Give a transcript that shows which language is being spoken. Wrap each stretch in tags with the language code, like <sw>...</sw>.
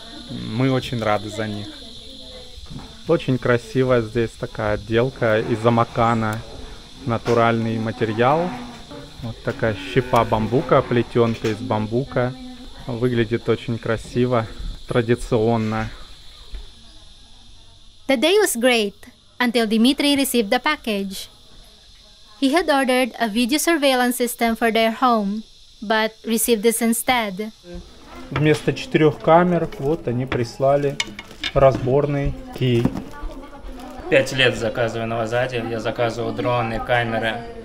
<ru>Мы очень рады за них. Очень красивая здесь такая отделка из амакана. Натуральный материал. Вот такая щепа бамбука, плетенка из бамбука. Выглядит очень красиво, традиционно.</ru> <en>The day was great until Dmitry received the package. He had ordered a video surveillance system for their home, but received this instead.</en> <ru>Вместо четырех камер вот они прислали разборный кий. 5 лет заказываю новозадил. Я заказывал дроны, камеры.</ru>